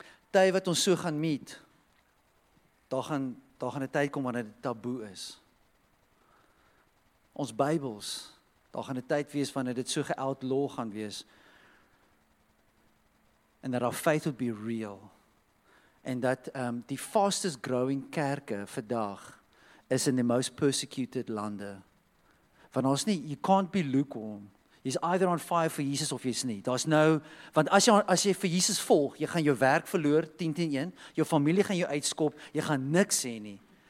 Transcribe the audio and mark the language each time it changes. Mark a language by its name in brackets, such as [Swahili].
[Afrikaans] Tyd wat ons so gaan meet, daar gaan 'n tyd kom wanneer dit taboe is. Ons Bybels, daar gaan 'n tyd wees wanneer dit so geoutlaw gaan wees. [English] And that our faith will be real. And that die fastest growing [Afrikaans] kerke vandag [English] is in the most persecuted lande. [Afrikaans] Want ons nie, [English] you can't be lukewarm. He's either on fire for Jesus of he's nie. [Afrikaans] Daar's nou, want as jy vir Jesus volg, jy gaan jou werk verloor, 10-10-1, jou familie gaan jou uitskop, jy gaan niks sê nie.